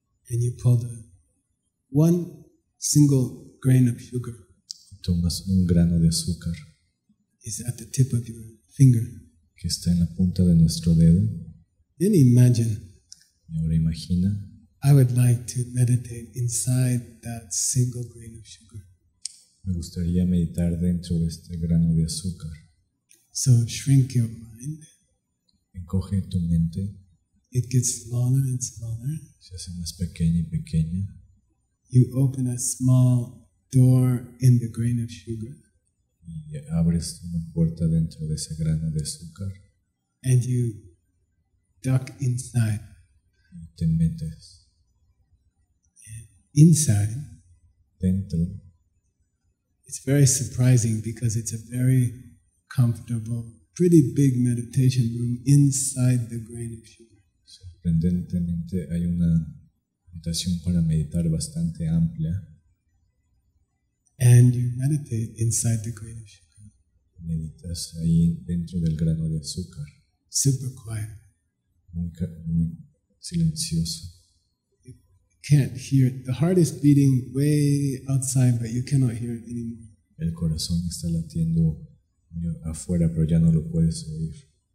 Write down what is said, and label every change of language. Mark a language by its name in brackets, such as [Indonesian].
[English] And you pull the one single grain of sugar. [Spanish] Tomas un grano de azúcar. [English] Is at the tip of your finger. [Spanish] Que está en la punta de nuestro dedo. [English] Then imagine. [Spanish] Y ahora imagina. [English] I would like to meditate inside that single grain of sugar. [Spanish] Me gustaría meditar dentro de este grano de azúcar. [English] So shrink your mind. [Spanish] Encoge tu mente. [English] It gets smaller and smaller. [Spanish] Se hace más pequeña y pequeña. [English] You open a small door in the grain of sugar. [Spanish] Y abres una puerta dentro de ese grano de azúcar. [English] And you duck inside. [Spanish] Te metes. [English] Inside. [Spanish] Dentro. [English] It's very surprising because it's a very comfortable, pretty big meditation room inside the grain of sugar. [Spanish] Sorprendentemente hay una habitación para meditar bastante amplia. [English] And you meditate inside the grain of sugar. [Spanish] Meditas ahí dentro del grano de azúcar. [English] Super quiet. [Spanish] Muy silencioso. [English] You can't hear it. The heart is beating way outside, but you cannot hear it anymore. [Spanish] El corazón está latiendo afuera, pero ya no lo puedes oír.